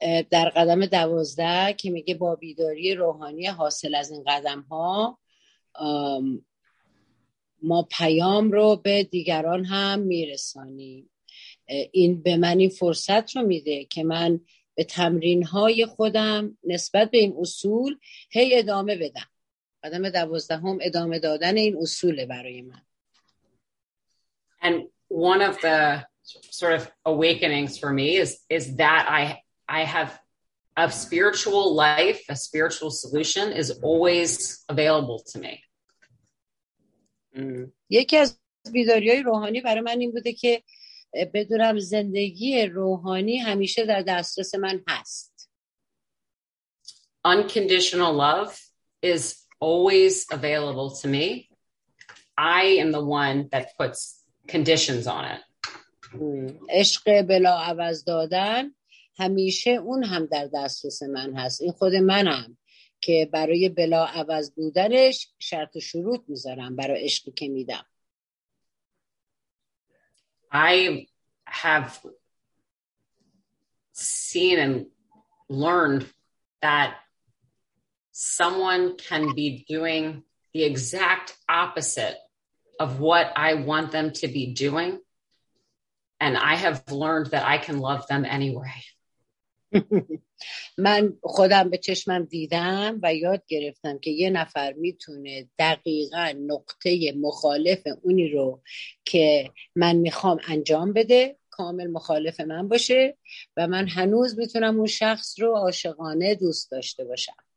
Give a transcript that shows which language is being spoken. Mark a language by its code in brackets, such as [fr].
[fa] در قدم 12 که میگه با بیداری روحانی حاصل از این قدم ها ما پیام رو به دیگران هم میرسانیم، این به من این فرصت رو میده که من به تمرین های خودم نسبت به این اصول هی ادامه بدم. قدم 12 هم ادامه دادن این اصوله برای من. [en] And one of the sort of awakenings for me is that I have a spiritual life, a spiritual solution is always available to me. [fa] یکی از بیداری‌های روحانی برای من این بوده که بدونم زندگی روحانی همیشه در دسترس من هست. [en] Unconditional love is always available to me. I am the one that puts conditions on it. [fa] عشق بلا عوض دادن همیشه اون هم در دسترس من هست. این خود منم که برای بلا عوض بودنش شرط و شروط میذارم برای عشقی که میدم. [en] I have seen and learned that someone can be doing the exact opposite of what I want them to be doing. And I have learned that I can love them anyway. [fa] من خودم به چشمم دیدم و یاد گرفتم که یه نفر میتونه دقیقا نقطه مخالف اونی رو که من میخوام انجام بده کامل مخالف من باشه و من هنوز میتونم اون شخص رو عاشقانه دوست داشته باشم.